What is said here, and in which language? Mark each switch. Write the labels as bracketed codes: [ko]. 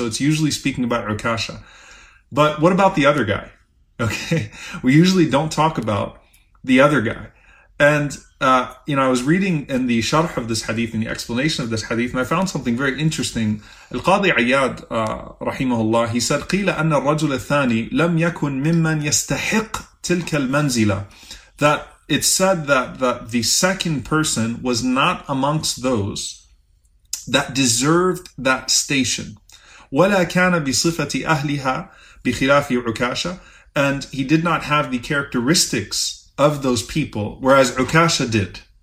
[en] So it's usually speaking about Ukasha. But what about the other guy? Okay, we usually don't talk about the other guy. And, I was reading in the sharh of this hadith, in the explanation of this hadith, and I found something very interesting. [ar] Al-Qadi Ayyad, rahimahullah, [en] he said, [ar] قِيلَ أَنَّ الرَّجُلَ الثَّانِي لَمْ يَكُنْ مِمَّنْ يَسْتَحِقْ تِلْكَ الْمَنْزِلَ. [en] That it said that the second person was not amongst those that deserved that station. [ar] وَلَا كَانَ بِصِفَةِ أَهْلِهَا بِخِلَافِ عُكَاشَ. [en] And he did not have the characteristics of those people, whereas Ukasha did.